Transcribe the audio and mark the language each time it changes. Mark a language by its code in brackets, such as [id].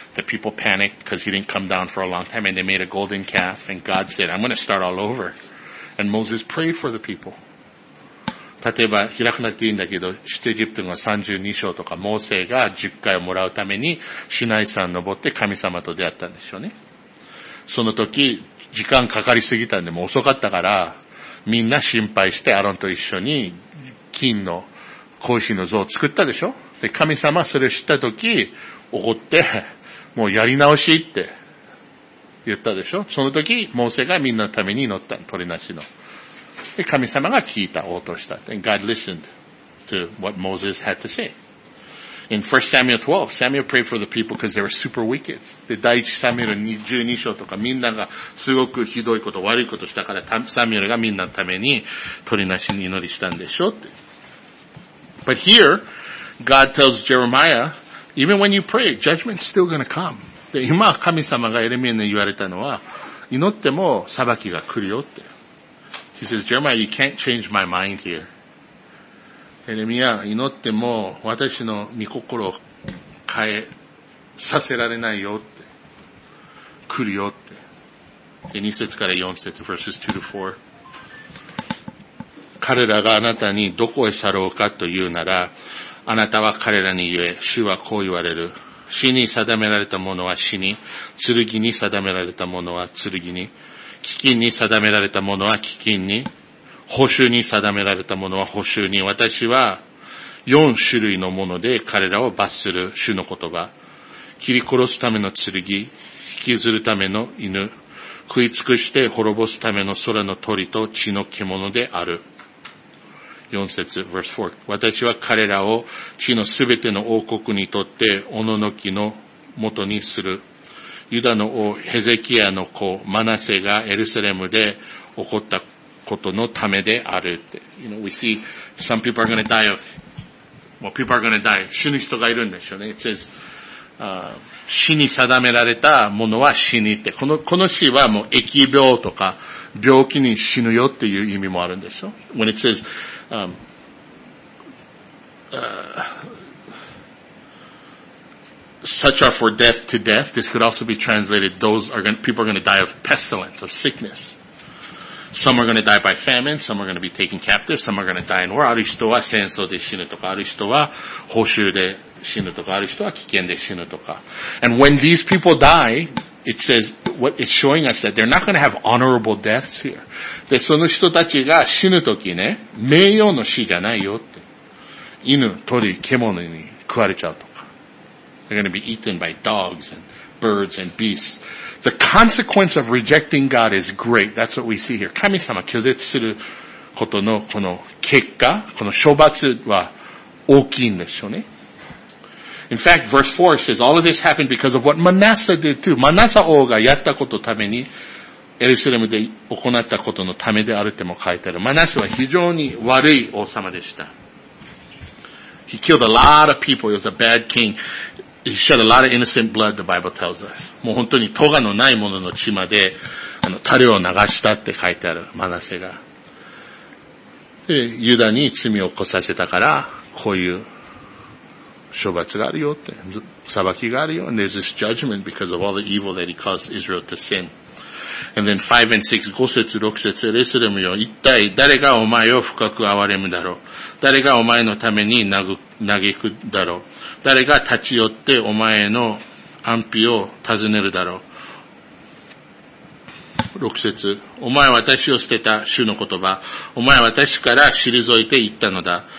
[en] The people panicked because he didn't come down for a long time and they made a golden calf and God said, I'm going to start all over. And Moses prayed for the people. [ja] 例えば開くなっていいんだけど、出エジプトが32章とか、モーセが10回をもらうためにシナイ山登って神様と出会ったんでしょうね。その時、時間かかりすぎたんでもう遅かったから、みんな心配してアロンと一緒に金の子牛の像を作ったでしょ。で、神様それを知った時怒ってもうやり直しって言ったでしょ。その時モーセがみんなのために祈った取りなしので、神様が聞いた応答した。 [en] And God listened to what Moses had to say. In 1 Samuel 12, Samuel prayed for the people because they were super wicked. [ja] で、第1サミュエル12章とかみんながすごくひどいこと悪いことしたから、サミュエルがみんなのために取りなしに祈りしたんでしょって。 [en] But here, God tells Jeremiah, even when you pray, judgment's still gonna come. [ja] で、今、神様がエレミアに言われたのは、祈っても裁きが来るよって。 [en] He says, Jeremiah, you can't change my mind here. [ja] エレミア、祈っても私の御心を変えさせられないよって。来るよって。で、2節から4節、 [en] verses 2 to 4。 [ja] 彼らがあなたにどこへ去ろうかというなら、あなたは彼らに言え、主はこう言われる。死に定められたものは死に、剣に定められたものは剣に、飢饉に定められたものは飢饉に、捕囚に定められたものは捕囚に。私は四種類のもので彼らを罰する主の言葉。切り殺すための剣、引きずるための犬、食い尽くして滅ぼすための空の鳥と血の獣である。 4節 [en] verse 4。 [ja] 私は彼らを地のすべての王国にとっておののきのもとにする。ユダの王ヘゼキヤの子マナセがエルサレムで起こったことのためであるって。 [en] You know, we see some people are going to die of, well, people are going to die. [ja] 死ぬ人がいるんでしょうね。 [en] It says, [ja] 死に定められたものは死にって。この死はもう疫病とか病気に死ぬよっていう意味もあるんでしょ。 [en] When it says, such are for death to death. This could also be translated, people are going to die of pestilence, of sickness. Some are going to die by famine, some are going to be taken captive, some are going to die in war. [ja] ある人は戦争で死ぬとか、ある人は捕囚で死ぬとか、ある人は危険で死ぬとか。 [en] And when these people die, it says, what it's showing us that they're not going to have honorable deaths here. [ja] で、その人たちが死ぬときね、名誉の死じゃないよって。犬、鳥、獣に食われちゃうとか。 [en] They're going to be eaten by dogs and birds and beasts. The consequence of rejecting God is great. That's what we see here. [ja] 神様拒絶することのこの結果、この処罰は大きいんでしょうね。 [en] In fact, verse 4 says, all of this happened because of what Manasseh did too. [ja] Manasseh 王がやったことために、エルサレムで行ったことのためであるっても書いてある。 Manasseh は非常に悪い王様でした。 [en] He killed a lot of people. He was a bad king. He shed a lot of innocent blood, the Bible tells us. [ja] もう本当に咎のない者の血まで、垂れを流したって書いてある、マナセが。で、ユダに罪を起こさせたから、こういう処罰があるよって、裁きがあるよ。 [en] And there's this judgment because of all the evil that he caused Israel to sin. And then 5 and 6, [ja] 5節、6節、エルサレムよ。一体誰がお前を深く憐れむだろう。誰がお前のために嘆くだろう。誰が立ち寄ってお前の安否を尋ねるだろう。 6節、お前は私を捨てた、主の言葉。お前は私から退いていったのだ。